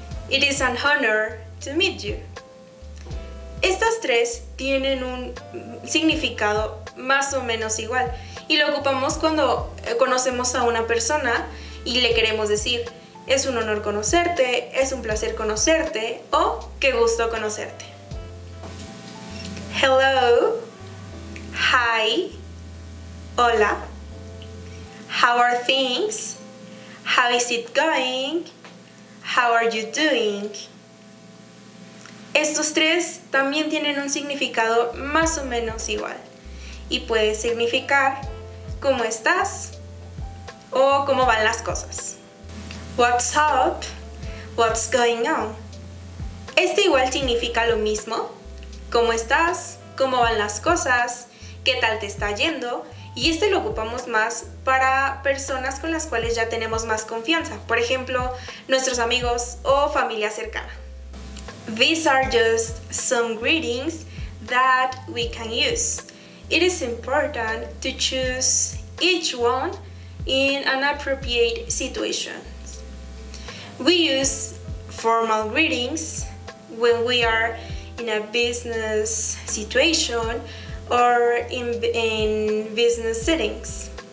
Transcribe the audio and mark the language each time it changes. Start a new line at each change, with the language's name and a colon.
English: It is an honor to meet you.
Spanish: Estas tres tienen un significado más o menos igual y lo ocupamos cuando conocemos a una persona y le queremos decir es un honor conocerte, es un placer conocerte o qué gusto conocerte.
English: Hello, hi, hola, how are things, how is it going, how are you doing?
Spanish: Estos tres también tienen un significado más o menos igual y puede significar cómo estás o cómo van las cosas.
English: What's up? What's going on?
Spanish: Este igual significa lo mismo. ¿Cómo estás? ¿Cómo van las cosas? ¿Qué tal te está yendo? Y este lo ocupamos más para personas con las cuales ya tenemos más confianza. Por ejemplo, nuestros amigos o familia cercana.
English: These are just some greetings that we can use. It is important to choose each one in an appropriate situation. We use formal greetings when we are in a business situation or in business settings.